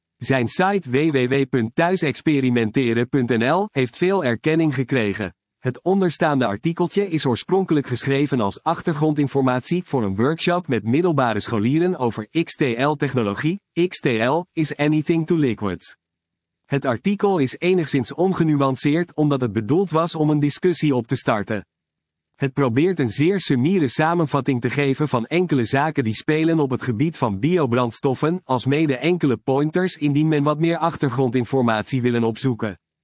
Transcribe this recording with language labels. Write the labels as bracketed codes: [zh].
[nl] Zijn site www.thuisexperimenteren.nl heeft veel erkenning gekregen. Het onderstaande artikeltje is oorspronkelijk geschreven als achtergrondinformatie voor een workshop met middelbare scholieren over XTL-technologie. [en] XTL is anything to liquids. [nl] Het artikel is enigszins ongenuanceerd omdat het bedoeld was om een discussie op te starten. Het probeert een zeer summiere samenvatting te geven van enkele zaken die spelen op het gebied van biobrandstoffen, alsmede enkele pointers indien men wat meer achtergrondinformatie willen opzoeken.